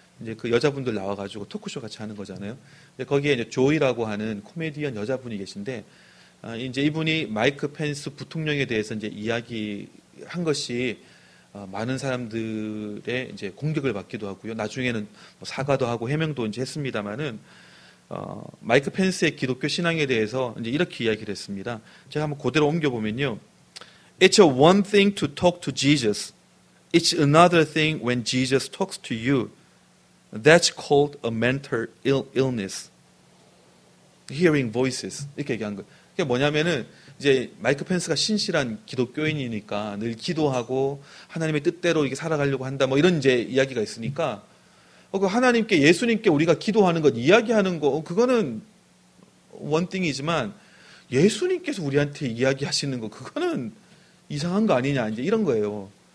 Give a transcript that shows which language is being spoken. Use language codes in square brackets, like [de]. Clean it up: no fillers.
[ko] 이제 그 여자분들 나와가지고 토크쇼 같이 하는 거잖아요. 근데 거기에 이제 조이라고 하는 코미디언 여자분이 계신데, 이제 이분이 마이크 펜스 부통령에 대해서 이제 이야기 한 것이 많은 사람들의 이제 공격을 받기도 하고요. 나중에는 뭐 사과도 하고 해명도 이제 했습니다만은, 마이크 펜스의 기독교 신앙에 대해서 이제 이렇게 이야기를 했습니다. 제가 한번 그대로 옮겨보면요. [en] It's a one thing to talk to Jesus. It's another thing when Jesus talks to you. That's called a mental illness. Hearing voices. [ko] 이렇게 얘기한 거예요. 그게 뭐냐면은, 이제 마이크 펜스가 신실한 기독교인이니까 늘 기도하고 하나님의 뜻대로 이렇게 살아가려고 한다, 뭐 이런 이제 이야기가 있으니까, 그 하나님께, 예수님께 우리가 기도하는 것, 이야기하는 거, 그거는 원띵이지만 예수님께서 우리한테 이야기하시는 거, 그거는 이상한 거 아니냐, 이제 이런 거예요.